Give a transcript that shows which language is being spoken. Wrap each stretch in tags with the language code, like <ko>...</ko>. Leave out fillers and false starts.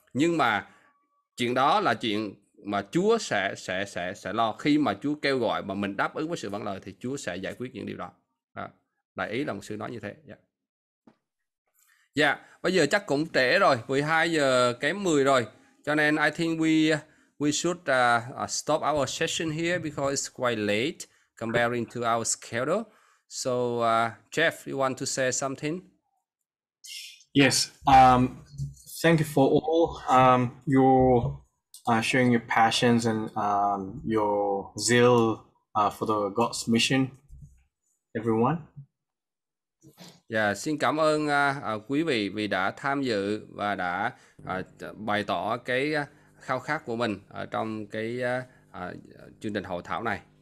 <vi>Nhưng mà chuyện đó là chuyện mà Chúa sẽ lo. Khi mà Chúa kêu gọi mà mình đáp ứng với sự vâng lời thì Chúa sẽ giải quyết những điều đó. Đại ý là một sư nói như thế. Yeah. Dạ, bây giờ chắc cũng trễ rồi, 12 giờ kém 10 rồi. Cho nên</vi> <en>I think we should stop our session here because it's quite late comparing to our schedule. So, Jeff, you want to say something? Yes. Thank you for all your sharing your passions and your zeal for the God's mission, everyone.</en> <vi>Yeah, xin cảm ơn quý vị vì đã tham dự và đã bày tỏ cái khao khát của mình ở trong cái chương trình hội thảo này.</vi>